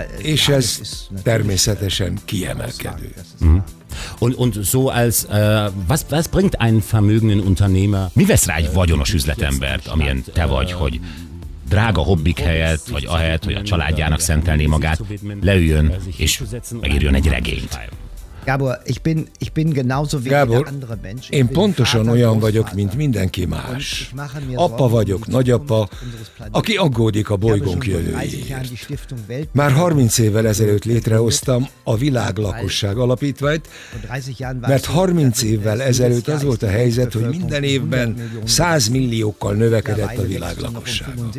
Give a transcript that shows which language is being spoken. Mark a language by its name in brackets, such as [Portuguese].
[Hungarian] És ez természetesen kiemelkedő. [German] Was bringt ein vermögenden Unternehmer? [Hungarian] Mi vesz rá egy vagyonos üzletembert, amilyen te vagy, hogy drága hobbik helyett, vagy ahelyett, hogy a családjának szentelné magát, leüljön és megírjon egy regényt? [German] Gábor, ich bin genauso wie Gábor, jeder andere Mensch. [Hungarian] Én pontosan olyan vagyok, mint mindenki más. Apa vagyok, nagyapa, aki aggódik a bolygónk jövőjéért. Már 30 évvel ezelőtt létrehoztam a Világlakosság Alapítványt, mert 30 évvel ezelőtt az volt a helyzet, hogy minden évben 100 milliókkal növekedett a világlakosság.